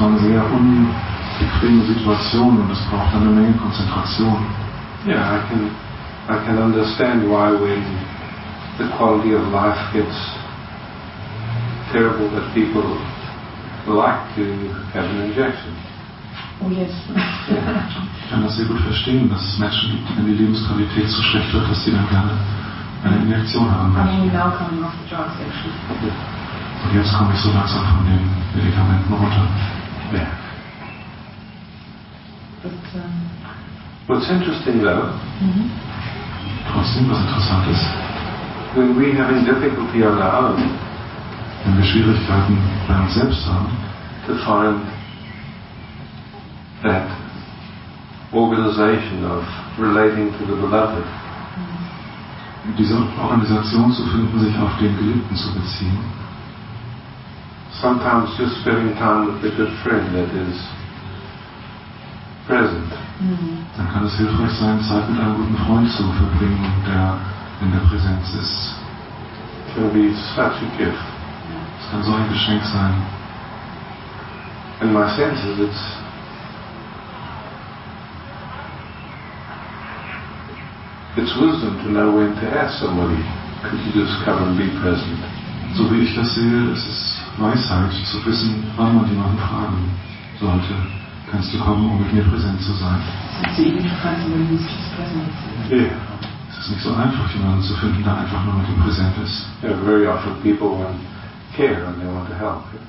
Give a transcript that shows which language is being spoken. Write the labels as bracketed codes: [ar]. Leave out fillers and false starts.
[de] war eine sehr unbequeme Situation und es braucht eine Menge Konzentration. [en] I can understand why when the quality of life gets terrible that people like to have an injection. Oh yes. [de] Ich kann das sehr gut verstehen, dass es Menschen gibt, wenn die Lebensqualität so schlecht wird, dass sie dann gerne eine Injektion haben möchten. [en] I'm now coming off the drugs, actually. [de] Und jetzt komme ich so langsam von den Medikamenten runter. [en] What's interesting though, [de] trotzdem was interessant ist, [en] when we have difficulty on our own, [de] wenn wir Schwierigkeiten bei uns selbst haben, [en] to find that organization of relating to the beloved, [de] diese Organisation zu finden, sich auf den Geliebten zu beziehen. [en] Sometimes just spending time with a good friend that is present. [de] Dann kann es hilfreich sein, Zeit mit einem guten Freund zu verbringen, der in der Präsenz ist. [en] It can be such a gift. [de] Es kann so ein Geschenk sein. [en] In my sense is it's wisdom to know when to ask somebody, could you just come and be present? [de] So wie ich das sehe, es ist Weisheit zu wissen, wann man jemanden fragen sollte. Kannst du kommen, um mit mir präsent zu sein? Es ist nicht so einfach, jemanden zu finden, der einfach nur mit ihm präsent ist. [en] Yeah, very often people want care and they want to help.